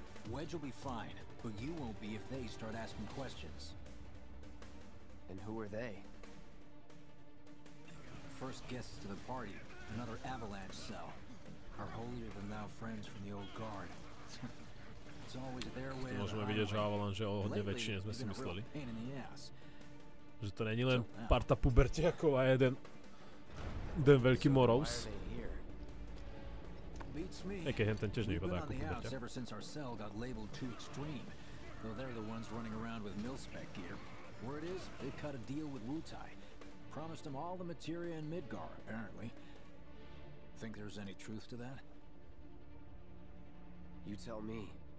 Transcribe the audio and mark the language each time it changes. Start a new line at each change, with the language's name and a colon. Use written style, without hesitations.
English: Wedge will be fine, but you won't be if they start asking questions. And who are they? First guests to the party, another avalanche cell. Are holier than thou friends from the old guard. It's always their way.
Slovak: Môžeme vidieť, že avalanže o hodne väčšie, než sme si mysleli. Že to není len parta pubertiakov a jeden ten veľký morous. Aj keď ten tiež nevypadá ako pubertiak.
English: Ever since our cell got labeled too extreme, though they're the ones running around with mil-spec gear. Word is, they cut a deal with Wutai. Promised them all the materia in Midgar, apparently. Think there's any truth to that? You tell me.